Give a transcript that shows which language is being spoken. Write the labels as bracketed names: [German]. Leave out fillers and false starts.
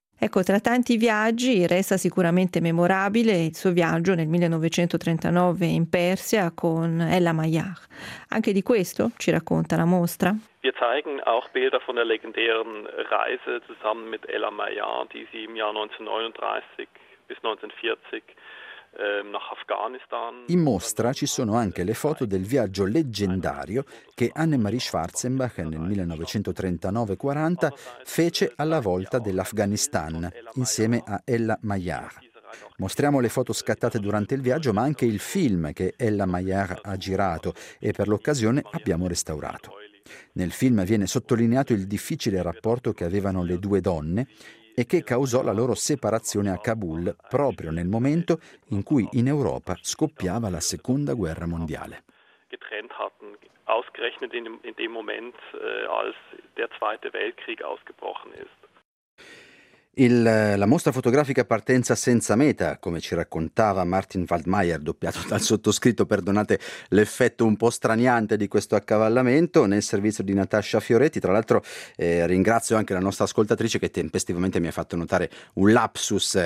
[Italian] Ecco, tra tanti viaggi resta sicuramente memorabile il suo viaggio nel 1939 in Persia con Ella Maillard. Anche di questo ci racconta la mostra. [German] Wir zeigen auch Bilder von der legendären Reise zusammen mit Ella Maillard, die sie im Jahr 1939 bis 1940 nach Afghanistan. [Italian] In mostra ci sono anche le foto del viaggio leggendario che Annemarie Schwarzenbach nel 1939-40 fece alla volta dell'Afghanistan insieme a Ella Maillard. Mostriamo le foto scattate durante il viaggio, ma anche il film che Ella Maillard ha girato e per l'occasione abbiamo restaurato. Nel film viene sottolineato il difficile rapporto che avevano le due donne e che causò la loro separazione a Kabul proprio nel momento in cui in Europa scoppiava la Seconda Guerra Mondiale. [German] Getrennt hatten ausgerechnet in dem Moment als der Zweite Weltkrieg ausgebrochen ist. [Italian] La mostra fotografica Partenza senza meta, come ci raccontava Martin Waldmeier, doppiato dal sottoscritto, perdonate l'effetto un po' straniante di questo accavallamento, nel servizio di Natascia Fioretti. Tra l'altro ringrazio anche la nostra ascoltatrice che tempestivamente mi ha fatto notare un lapsus.